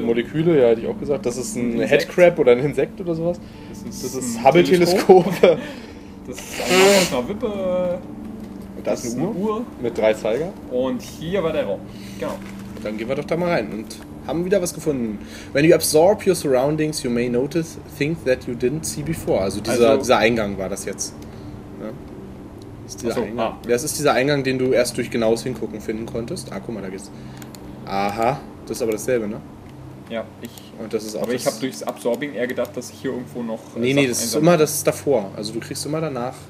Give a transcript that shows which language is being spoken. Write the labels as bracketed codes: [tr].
[de] Moleküle, ja, hätte ich auch gesagt. Das ist ein Headcrab oder ein Insekt oder sowas. Das ist ein Hubble-Teleskop. Das ist eine Wippe. Und da ist eine Uhr. Mit drei Zeiger. Und hier war der Raum. Genau. Dann gehen wir doch da mal rein und haben wieder was gefunden. [en] When you absorb your surroundings, you may notice things that you didn't see before. [de] Also dieser Eingang war das jetzt. Ja. Das ist dieser Eingang, den du erst durch genaues Hingucken finden konntest. Ah, guck mal, da geht's. Aha, das ist aber dasselbe, ne? Ja, ich. Und das ist auch. Aber ich habe durchs Absorbing eher gedacht, dass ich hier irgendwo noch. Nee, das ist immer das davor. Also du kriegst immer danach